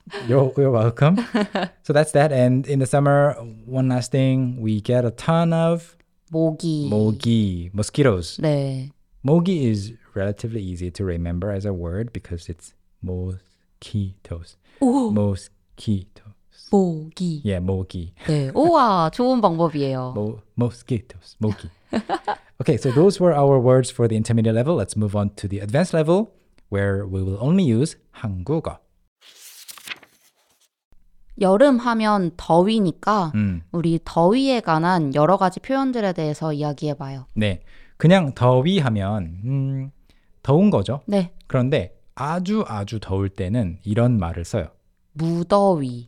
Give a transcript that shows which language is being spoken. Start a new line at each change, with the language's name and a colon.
English: You're welcome. So that's that. And in the summer, one last thing, we get a ton of
Korean: 모기.
English: 모기, mosquitoes.
Korean: 네.
English: 모기 is relatively easy to remember as a word because it's mosquitoes.
Korean: 오.
English: Mosquitoes.
Korean: 모기.
English: Yeah, 모기.
Korean: 네, 우와, 좋은 방법이에요.
English: Mosquitoes, 모기. Okay, so those were our words for the intermediate level. Let's move on to the advanced level where we will only use 한국어.
Korean: 여름 하면 더위니까 우리 더위에 관한 여러 가지 표현들에 대해서 이야기해 봐요. 네. 그냥 더위 하면 더운 거죠. 네. 그런데 아주 아주 더울 때는 이런 말을 써요. 무더위.